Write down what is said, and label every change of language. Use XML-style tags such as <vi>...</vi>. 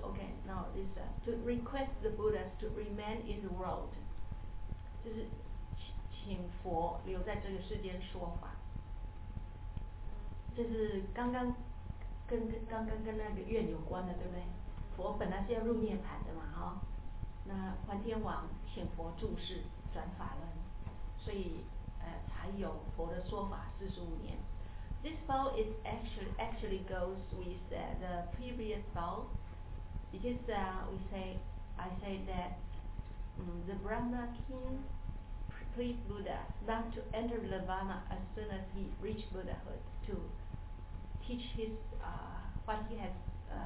<en>Okay, now this is to request the Buddha to remain in the world.</en> <zh>就是请佛留在这个世间说法。这是刚刚跟那个愿有关的，对不对？佛本来是要入涅槃的嘛，哈。那梵天王请佛注释转法轮，所以才有佛的说法45年。</zh> <en>This vow is actually goes with the previous vow, because I say that the Brahma king plead Buddha not to enter Nirvana as soon as he reached Buddhahood to teach his what he has</en>